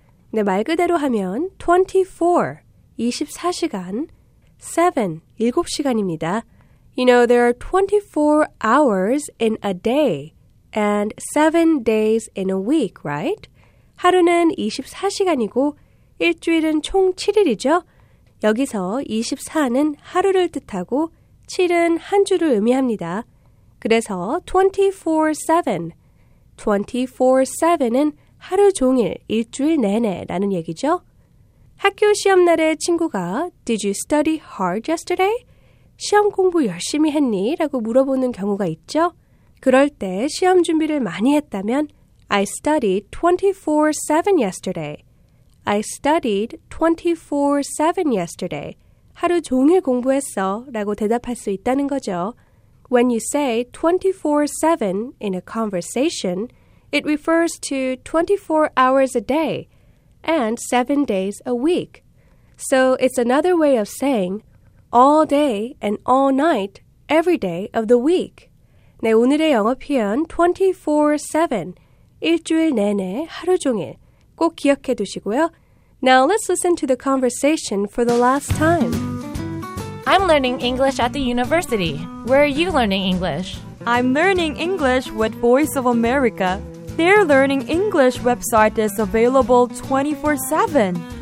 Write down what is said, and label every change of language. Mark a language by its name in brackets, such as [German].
[Korean] 네, 말 그대로 하면 24, 24시간, 7, 7시간입니다. [English] You know, there are 24 hours in a day and 7 days in a week, right? [Korean] 하루는 24시간이고 일주일은 총 7일이죠. 여기서 24는 하루를 뜻하고 7은 한 주를 의미합니다. 그래서 24/7은 하루 종일 일주일 내내 라는 얘기죠. 학교 시험 날에 친구가 [English] Did you study hard yesterday? [Korean] 시험 공부 열심히 했니? 라고 물어보는 경우가 있죠. 그럴 때 시험 준비를 많이 했다면 [English] I studied 24/7 yesterday. I studied 24/7 yesterday. [Korean] 하루 종일 공부했어 라고 대답할 수 있다는 거죠. [English] When you say 24/7 in a conversation, it refers to 24 hours a day and 7 days a week. So it's another way of saying all day and all night, every day of the week. [Korean] 네, 오늘의 영어 표현 24/7, 일주일 내내 하루 종일 꼭 기억해 두시고요. [English] Now let's listen to the conversation for the last time. I'm learning English at the university. Where are you learning English? I'm learning English with Voice of America. Their learning English website is available 24/7.